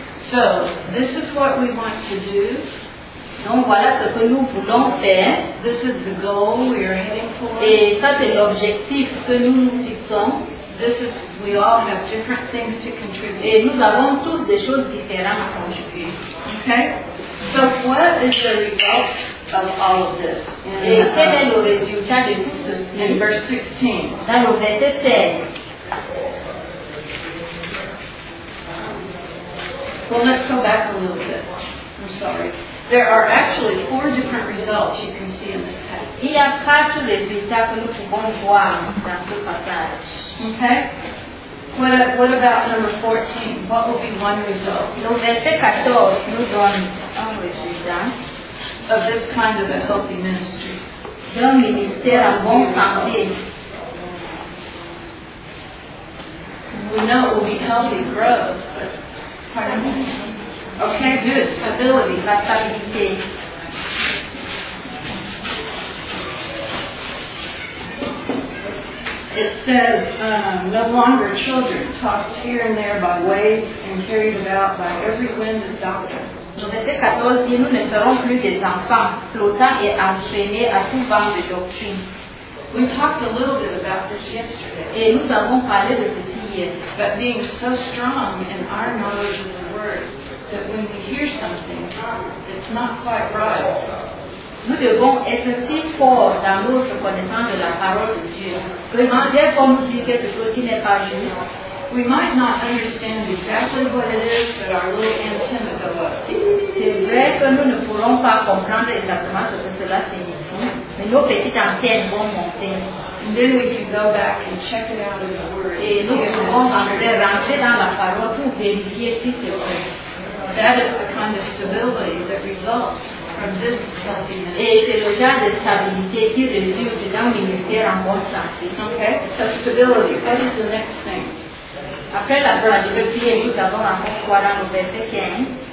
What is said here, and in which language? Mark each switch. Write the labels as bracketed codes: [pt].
[en] So this is what we want to do. [fr] Donc voilà ce que nous voulons faire. [en] This is the goal we are heading for. [fr] Et ça c'est l'objectif que nous fixons. [en] This is, we all have different things to contribute. [fr] Et nous avons tous des choses différentes à contribuer. [en] Okay. So what is the result of all of this? [fr] Et quel est le résultat de tout ceci? [en] In verse 16. [fr] Dans le verset 16. [en] Well, let's go back a little bit. I'm sorry. There are actually four different results you can see in this text. [fr] Il y a quatre résultats que nous pouvons voir dans ce passage. [en] Okay. What about number 14? What will be one result? [fr] Le verset 14 nous donne un résultat. [en] Of this kind of a healthy ministry. [fr] D'un ministère en bon santé. [en] We know it will be healthy growth. Pardon me? Okay, good. Stability. [fr] La stabilité. [en] It says, no longer children tossed here and there by waves and carried about by every wind of doctrine. [fr] Le verset 14 dit, nous ne serons plus des enfants flottants et entraînés à tout vent de doctrine. [en] We talked a little bit about this yesterday. [fr] Et nous avons parlé de ceci hier. [en] But being so strong in our knowledge of the word, that when we hear something, it's not quite right. [fr] Nous devons être si forts dans notre connaissance de la parole de Dieu. Vraiment, dès qu'on nous dit quelque chose qui n'est pas juste, [en] we might not understand exactly what it is, but our little antenna goes up. [fr] C'est vrai que nous ne pourrons pas comprendre exactement ce que cela signifie, mais nos petites antennes vont monter. [en] And then we can go back and check it out in the Word. [fr] Et nous pouvons après rentrer dans la parole pour vérifier si c'est vrai. [en] That is the kind of stability that results from this healthiness. [fr] Et c'est le genre de stabilité qui résulte d'un ministère en bonne santé. [en] Okay, so stability, what is the next thing? [fr] Après la grâce de Dieu, nous avons encore quoi dans le verset 15?